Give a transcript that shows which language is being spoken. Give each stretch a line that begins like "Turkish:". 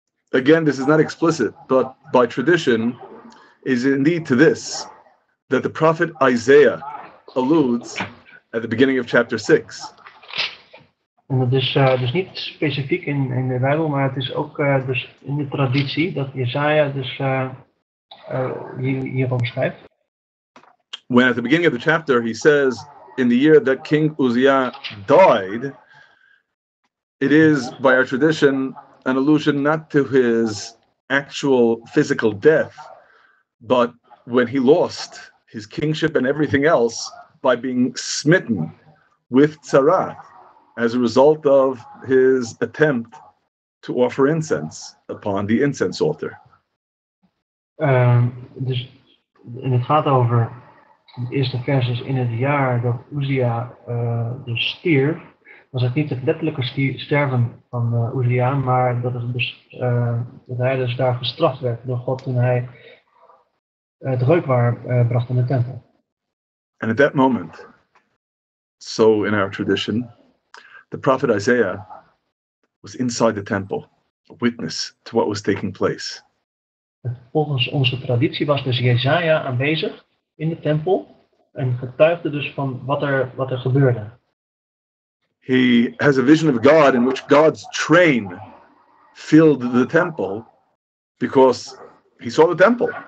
English: Again, this is not explicit, but by tradition is indeed to this that the prophet Isaiah alludes at the beginning of chapter 6.
Dutch: En dat is dus niet specifiek in de Bijbel, maar het is ook dus in de traditie dat Jesaja dus hierop schrijft.
English: When at the beginning of the chapter he says, in the year that King Uzziah died, it is by our tradition an allusion not to his actual physical death, but when he lost his kingship and everything else by being smitten with Tzarath as a result of his attempt to offer incense upon the incense altar.
Dutch: Dus, en het gaat over de eerste vers is in het jaar dat Uzziah dus stierf, was het niet het letterlijke sterven van Uzziah, maar dat, het dus, dat hij dus daar gestraft werd door God toen hij het reukwaar bracht in de tempel.
English: And at that moment, so in our tradition, the prophet Isaiah was inside the temple, a witness to what was taking place.
Dutch: Volgens onze traditie was dus Jesaja aanwezig in de tempel en getuigde dus van wat er gebeurde.
English: He has a vision of God in which God's train filled the temple because he saw the temple.